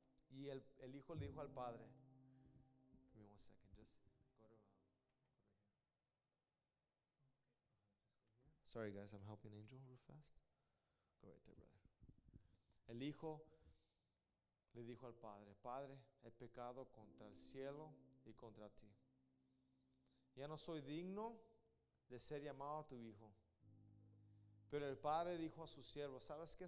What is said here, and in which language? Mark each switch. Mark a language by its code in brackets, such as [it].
[es] Y el hijo le dijo al padre. [en] Give me one second, just go to go right here. Sorry guys, I'm helping Angel real fast. Go right there, brother. [es] El hijo le dijo al padre, padre, he pecado contra el cielo y contra ti. Ya no soy digno de ser llamado a tu hijo. Pero el padre dijo a su siervo, ¿sabes qué?